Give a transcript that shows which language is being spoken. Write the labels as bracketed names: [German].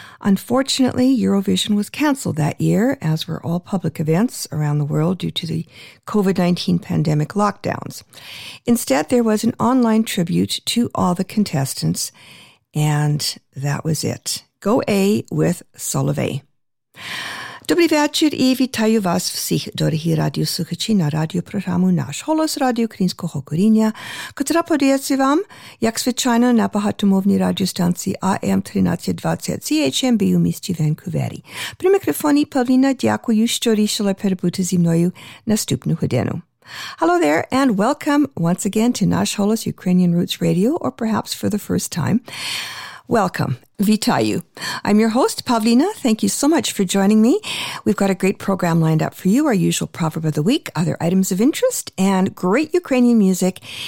[English] Unfortunately, Eurovision was canceled that year, as were all public events around the world due to the COVID-19 pandemic lockdowns. Instead, there was an online tribute to all the contestants, and that was it. Go A with Solovey. [Ukrainian] Добрий вечір і вітаю вас всіх, дорогі радіослухачі, на радіопрограму «Наш голос» радіо українського коріння, котра подається вам, як звичайно, на багатомовній радіостанції АМ 1320 CHMB у місті Ванкувері. При мікрофоні Павліна, дякую, що рішила перебути зі мною наступну годину. [English] Hello there, and welcome once again to «Наш голос» Ukrainian Roots Radio, or perhaps for the first time. Welcome. Vitayu. I'm your host, Pavlina. Thank you so much for joining me. We've got a great program lined up for you, our usual proverb of the week, other items of interest, and great Ukrainian music.